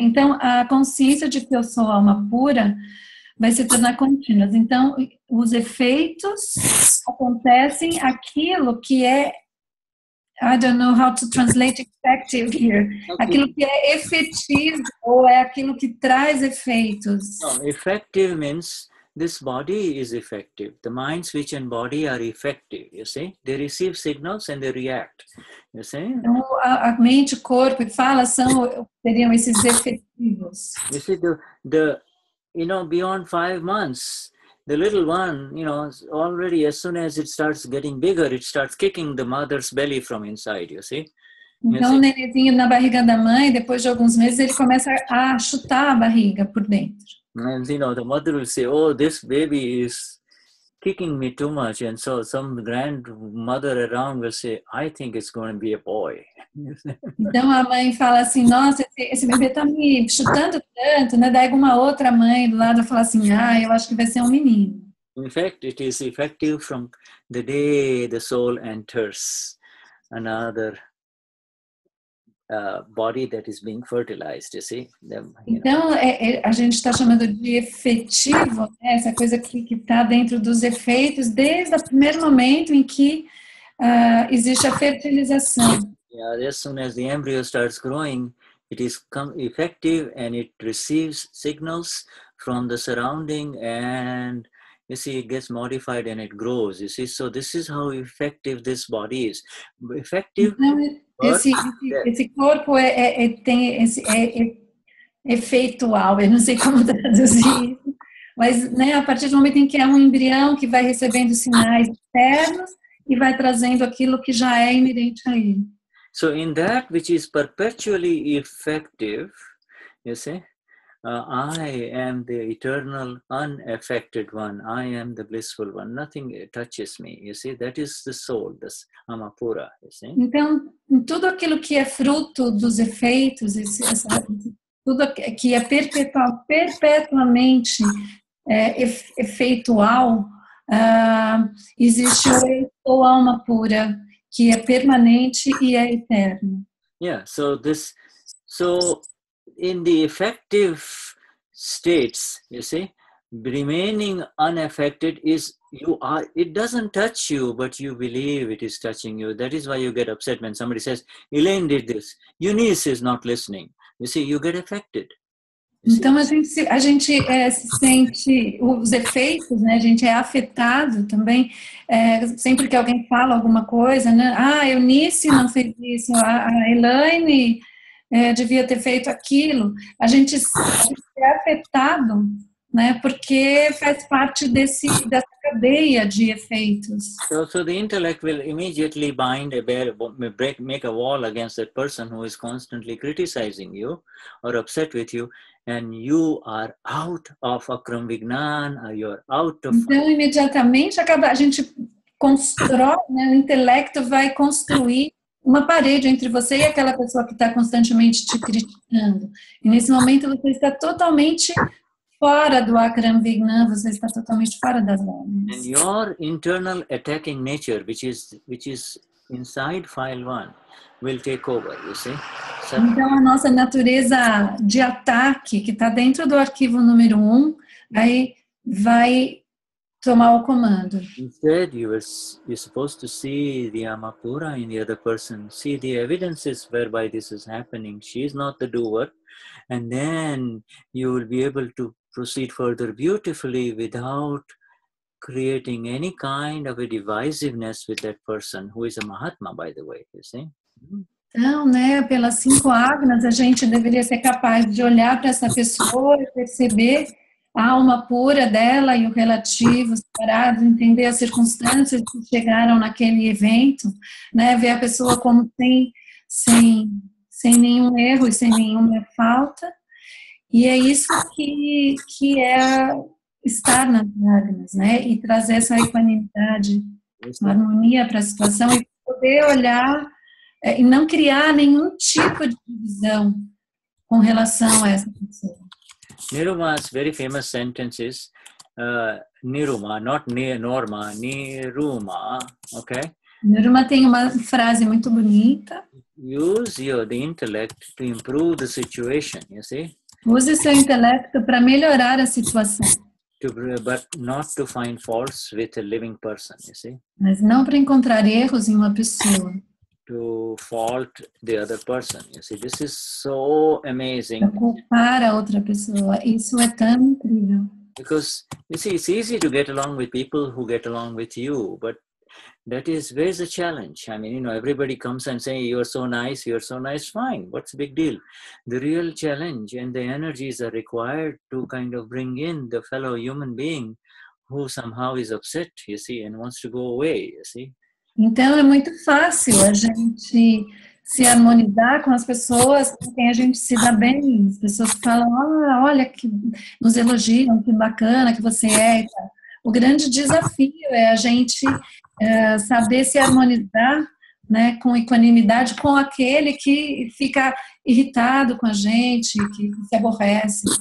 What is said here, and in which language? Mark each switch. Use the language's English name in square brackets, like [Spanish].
[Portuguese] Então, a consciência de que eu sou alma pura vai se tornar contínua. Então, os efeitos acontecem aquilo que é, [English] I don't know how to translate effective here. Okay. [Portuguese] Aquilo que é efetivo ou é aquilo que traz efeitos. [English] No, effective means this body is effective. The mind, switch and body are effective, you see? They receive signals and they react, you see? [Portuguese] Então, a mente, corpo e fala seriam esses efetivos. [English] You see, beyond 5 months, the little one, you know, already as soon as it starts getting bigger, it starts kicking the mother's belly from inside, you see? [Portuguese] Então, o nenenzinho na barriga da mãe, depois de alguns meses, ele começa a chutar a barriga por dentro. [English] And, you know, the mother will say, oh, this baby is kicking me too much. And so some grandmother around will say, I think it's going to be a boy. [Portuguese] Então, a mãe fala assim, nossa, esse bebê está me chutando tanto, né? Daí alguma outra mãe do lado fala assim, ah, eu acho que vai ser um menino. [English] In fact, it is effective from the day the soul enters another body that is being fertilized, you see? [Portuguese] Então, a gente está chamando de efetivo, né? Essa coisa que está dentro dos efeitos desde o primeiro momento em que existe a fertilização. [English] Yeah, as soon as the embryo starts growing, it is effective and it receives signals from the surrounding and you see, it gets modified and it grows, you see. So this is how effective this body is. Effective. [Portuguese] Então, esse corpo tem esse efetual, eu não sei como traduzir. Mas né, a partir do momento em que é um embrião que vai recebendo sinais externos e vai trazendo aquilo que já é inerente a ele. [English] So in that which is perpetually effective, you see, I am the eternal unaffected one. I am the blissful one. Nothing touches me. You see, that is the soul, this amapura. You see? [Portuguese] Então, tudo aquilo que é fruto dos efeitos, tudo que é perpetuamente efeitual, existe o alma pura, que é permanente e é eterno. [English] Yeah, so in the effective states, you see, remaining unaffected is you are, it doesn't touch you, but you believe it is touching you. That is why you get upset when somebody says, Elaine did this, Eunice is not listening. You see, you get affected. [Portuguese] Então, a gente se sente os efeitos, né? A gente é afetado também, sempre que alguém fala alguma coisa, né? Ah, a Eunice não fez isso, a Elaine devia ter feito aquilo. A gente é afetado, né? Porque faz parte dessa cadeia de efeitos. [English] So the intellect will immediately bind a bear, break, make a wall against that person who is constantly criticizing you or upset with you. And you are out of Akram Vignan, you're out of... [Portuguese] Então, imediatamente, a gente constrói, né, o intelecto vai construir uma parede entre você e aquela pessoa que está constantemente te criticando. E nesse momento, você está totalmente fora do Akram Vignan, você está totalmente fora das normas. [English] And your internal attacking nature, which is inside file one, will take over, you see? [Portuguese] So, então, a nossa natureza de ataque, que está dentro do arquivo número 1, aí vai tomar o comando. [English] Instead, you're supposed to see the Amapura in the other person, see the evidences whereby this is happening. She is not the doer. And then you will be able to proceed further beautifully without creating any kind of a divisiveness with that person, who is a Mahatma, by the way, you see? [Portuguese] Então, né, pelas cinco Agnas, a gente deveria ser capaz de olhar para essa pessoa e perceber a alma pura dela e o relativo, separado, entender as circunstâncias que chegaram naquele evento, né, ver a pessoa como tem, sem nenhum erro e sem nenhuma falta. E é isso que é estar nas Agnas, né, e trazer essa equanimidade, uma harmonia para a situação e poder olhar e não criar nenhum tipo de divisão com relação a essa pessoa. [English] Niruma's very famous sentence is Niruma, not Norma, Niruma, ok? [Portuguese] Niruma tem uma frase muito bonita. [English] Use your intellect to improve the situation, you see? [Portuguese] Use seu intelecto para melhorar a situação. [English] But not to find faults with a living person, you see? [Portuguese] Mas não para encontrar erros em uma pessoa. [English] To fault the other person. You see, this is so amazing. [Portuguese] Para culpar a outra pessoa. Isso é tão incrível. [English] Because, you see, it's easy to get along with people who get along with you, but that is, where's the challenge? I mean, you know, everybody comes and say, you're so nice, fine, what's the big deal? The real challenge and the energies are required to kind of bring in the fellow human being who somehow is upset, you see, and wants to go away, you see. [Portuguese] Então, é muito fácil a gente se harmonizar com as pessoas com quem a gente se dá bem. As pessoas falam, olha, que nos elogiam, que bacana que você é. O grande desafio é a gente saber se harmonizar, né, com equanimidade com aquele que fica irritado com a gente, que se aborrece.